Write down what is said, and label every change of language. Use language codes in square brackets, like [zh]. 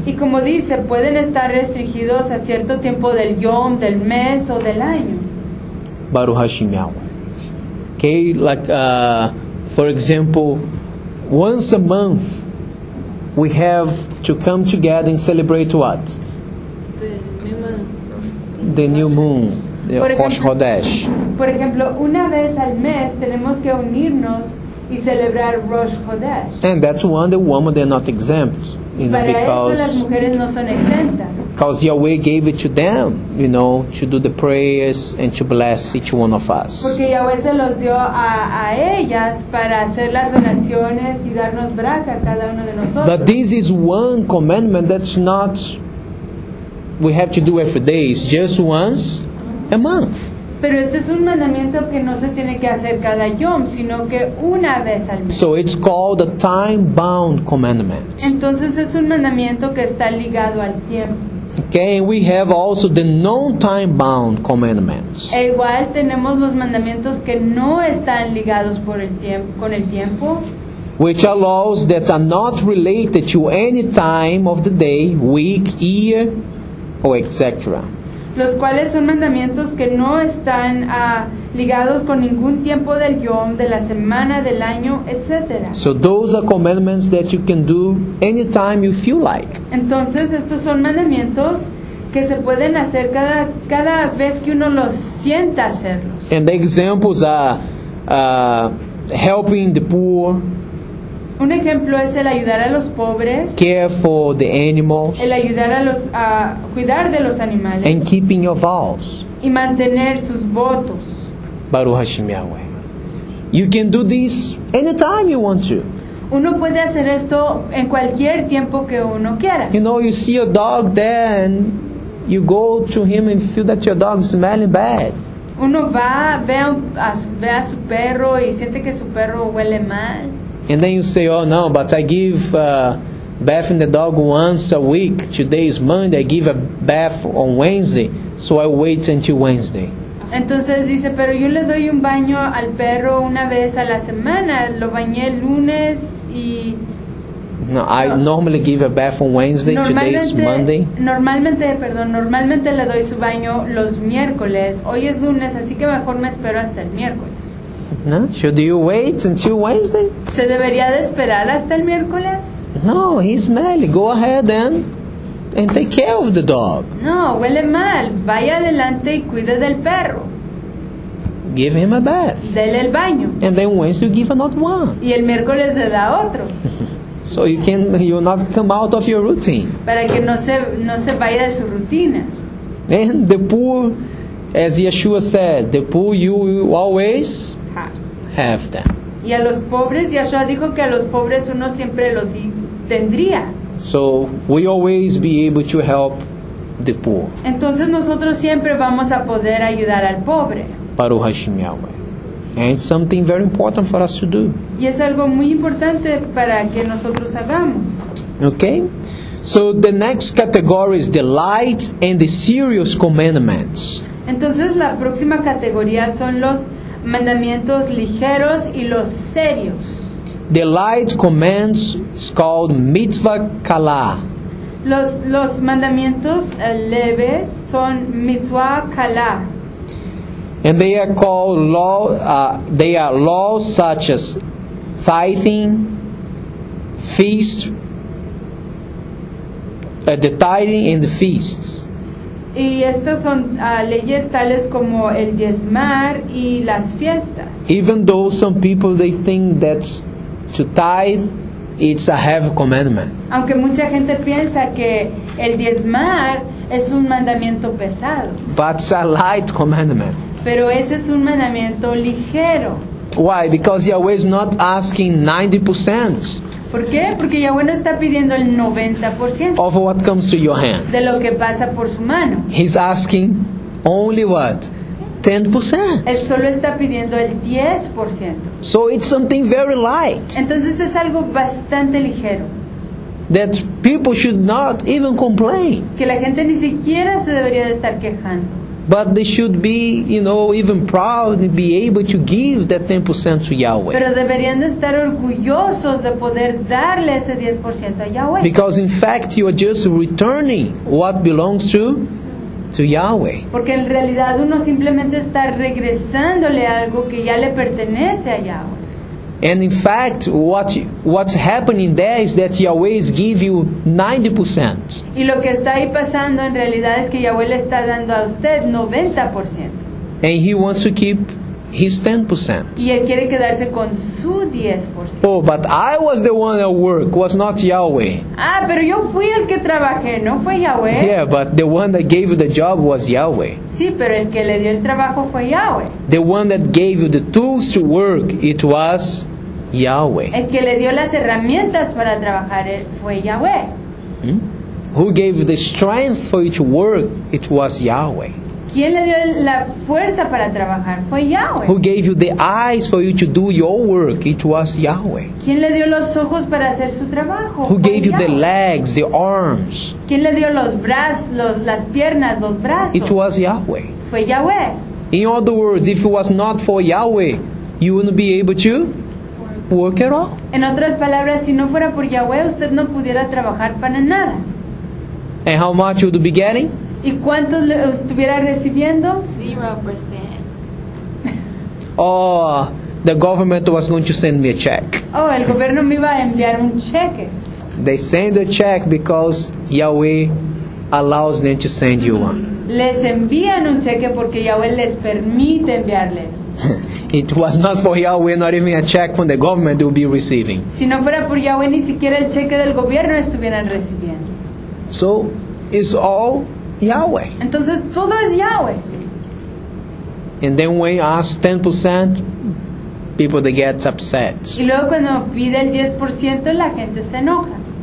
[es] Y como dice, pueden estar restringidos a cierto tiempo del yom, del mes, o del año. [he] Baruch Hashem Yahweh. [en] Okay, like for example, once a month we have to come together and celebrate what? The new moon. The Rosh Chodesh. [es] Por ejemplo, una vez al mes tenemos que unirnos y celebrar Rosh Chodesh. [en] And that's one the woman they're not exempt. You know, because [es] las mujeres no son exentas. [en] Because Yahweh gave it to them, you know, to do the prayers and to bless each one of us. [es] Porque Yahweh se los dio a ellas para hacer las oraciones y darnos braca a cada uno de nosotros. [en] But this is one commandment that's not, we have to do every day, it's just once a month. [es] Pero este es un mandamiento que no se tiene que hacer cada yom, sino que una vez al mes. [en] So it's called a time-bound commandment. [es] Entonces es un mandamiento que está ligado al tiempo. [en] Okay, and we have also the non-time-bound commandments. [es] E igual tenemos los mandamientos que no están ligados por el tiempo, con el tiempo. [en] Which are laws that are not related to any time of the day, week, year, or etc. [es] Los cuales son mandamientos que no están ligados con ningún tiempo del yom, de la semana, del año, etc. [en] So those are commandments that you can do anytime you feel like. [es] Entonces estos son mandamientos que se pueden hacer cada vez que uno los sienta hacerlos. [en] And the examples are helping the poor. [es] Un ejemplo es el ayudar a los pobres. [en] Care for the animals. [es] El ayudar a los a cuidar de los animales. [en] And keeping your vows. [es] Y mantener sus votos. [he] Baruch Hashem Yahweh. [en] You can do this anytime you want to. [es] Uno puede hacer esto en cualquier tiempo que uno quiera. [en] You know, you see a dog there and you go to him and feel that your dog is smelling bad. [es] Uno va, ve a su perro y siente que su perro huele mal. [en] And then you say, oh no, but I give bath in the dog once a week. Today is Monday. I give a bath on Wednesday. So I wait until Wednesday. [es] Entonces dice, pero yo le doy un baño al perro una vez a la semana. Lo bañé el lunes y... [en] No, I normally give a bath on Wednesday. Today is Monday. [es] Normalmente le doy su baño los miércoles. Hoy es lunes, así que mejor me espero hasta el miércoles. [en] No? Should you wait until Wednesday? [es] ¿Se debería de esperar hasta el miércoles? [en] No, he's smelly. Go ahead and take care of the dog. [es] No, huele mal. Vaya adelante y cuide del perro. [en] give him a bath. [es] Dele el baño. [en] And then Wednesday you give another one. [es] Y el miércoles le da otro. [en] So you can you not come out of your routine. [es] Para que no se vaya de su rutina. [en] And the poor, as Yeshua said, the poor you always have them. [es] Y a los pobres, Yeshua dijo que a los pobres uno siempre los tendría. [en] So we always be able to help the poor. [es] Entonces nosotros siempre vamos a poder ayudar al pobre. [he] Baruch Hashem Yahweh. [en] And it's something very important for us to do. [es] Y es algo muy importante para que nosotros hagamos. [en] Okay. So the next category is the light and the serious commandments. [es] Entonces la próxima categoría son los mandamientos ligeros y los serios. [en] The light commands is called mitzvah kala. [es] Los mandamientos leves son mitzvah kala. [en] And they are called law. They are laws such as tithing, feast, the tithing and the feasts. [es] Y estas son leyes tales como el diezmar y las fiestas. [en] Even though some people they think that to tithe it's a heavy commandment. [es] Aunque mucha gente piensa que el diezmar es un mandamiento pesado. [en] But it's a light commandment. [es] Pero ese es un mandamiento ligero. [en] Why? Because Yahweh is not asking 90%. [es] ¿Por qué? Porque Yahweh no está pidiendo el 90%. [en] Of what comes to your hand. [es] De lo que pasa por su mano. [en] He's asking only what? 10%. [es] Él solo está pidiendo el 10%. [en] So it's something very light. [es] Entonces es algo bastante ligero. [en] That people should not even complain. [es] Que la gente ni siquiera se debería de estar quejando. [en] But they should be, you know, even proud and be able to give that 10% to Yahweh. [es] Pero deberían de estar orgullosos de poder darle ese 10% a Yahweh. [en] Because in fact you are just returning what belongs to Yahweh. [es] Porque en realidad uno simplemente está regresándole algo que ya le pertenece a Yahweh. [en] And in fact, what's happening there is that Yahweh is giving you 90%. [es] Y lo que está ahí pasando en realidad es que Yahweh le está dando a usted 90%. [en] And he wants to keep his 10%. [es] Y él quiere quedarse con su 10%. [en] Oh, but I was the one at work, was not Yahweh. [es] Ah, pero yo fui el que trabajé, no fue Yahweh. [en] Yeah, but the one that gave you the job was Yahweh. [es] Sí, pero el que le dio el trabajo fue Yahweh. [en] The one that gave you the tools to work, it was Yahweh. [es] El que le dio las herramientas para trabajar fue Yahweh. Hmm? [en] Who gave you the strength for you to work, it was Yahweh. [es] ¿Quién le dio la fuerza para trabajar? Fue Yahweh. [en] Who gave you the eyes for you to do your work? It was Yahweh. [es] ¿Quién le dio los ojos para hacer su trabajo? [en] Who gave you the legs, the arms? [es] ¿Quién le dio los brazos, las piernas, los brazos? [en] It was Yahweh. [es] Fue Yahweh. [en] In other words, if it was not for Yahweh, you wouldn't be able to work at all. [es] En otras palabras, si no fuera por Yahweh, usted no pudiera trabajar para nada. [en] And how much would you be getting? [es] ¿Y cuánto estuviera recibiendo? [en] 0%. Oh, the government was going to send me a check. [es] Oh, el gobierno me iba a enviar un cheque. [en] They send a check because Yahweh allows them to send you one. [es] Les envían un cheque porque Yahweh les permite enviarle. [en] It was not for Yahweh, not even a check from the government would be receiving. [es] Si no fuera por Yahweh, ni siquiera el cheque del gobierno estuvieran recibiendo. [en] So, it's all Yahweh. [es] Entonces todo es Yahweh. [en] And then when you ask 10%, people they get upset. [es] Y luego cuando pide el 10%, la gente se enoja.